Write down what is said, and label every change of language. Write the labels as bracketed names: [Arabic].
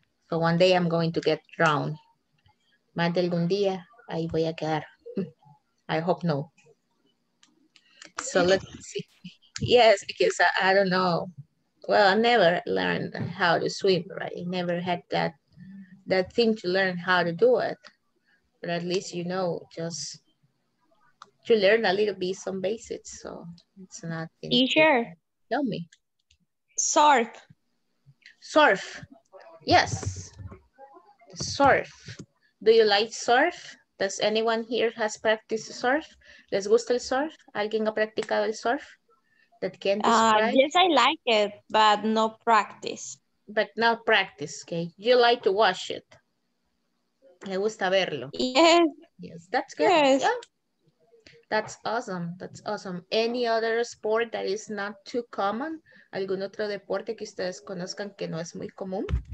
[English] So one day I'm going to get drowned. [Spanish] Más de algún día, ahí voy a quedar. [English] I hope no. So let's see. Yes, because I don't know. Well, I never learned how to swim, right? I never had that thing to learn how to do it. But at least you know, just to learn a little bit some basics. So it's not... Are you sure? Tell me. Surf. Surf. Yes. Surf. Do you like surf? Does anyone here has practiced surf? [Spanish] ¿Les gusta el surf? ¿Alguien ha practicado el surf? [English] That can describe? Yes, I like it, but no practice. But not practice, okay. You like to watch it. [Spanish] Me gusta verlo. [English] Yes. Yes, that's good. Yes. Yeah. That's awesome. That's awesome. Any other sport that is not too common? [Spanish] ¿Algún otro deporte que ustedes conozcan que no es muy común?